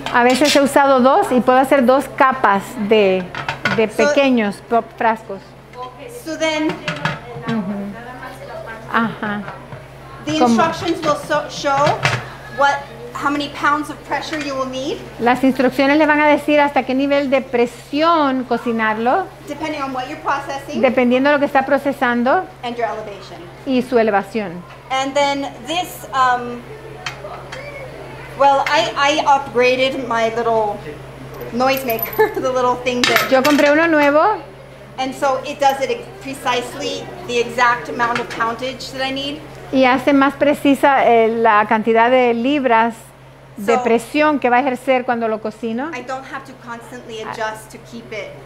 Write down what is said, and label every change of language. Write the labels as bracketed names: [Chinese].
[Spanish] A veces he usado dos y puedo hacer dos capas de pequeños frascos. [English] So then, uh-huh. The instructions will show what how many pounds of pressure you will need. [Spanish] Las instrucciones le van a decir hasta qué nivel de presión cocinarlo. [English] Depending on what you're processing. [Spanish] Dependiendo de lo que está procesando. [English] And your elevation. [Spanish] Y su elevación. [English] And then this. Well, I upgraded my little noisemaker, the little thing that. [Spanish] Yo compré uno nuevo. [English] And so it does it precisely the exact amount of poundage that I need. [Spanish] Y hace más precisa la cantidad de libras de presión que va a ejercer cuando lo cocino. [English] I don't have to constantly adjust to keep it.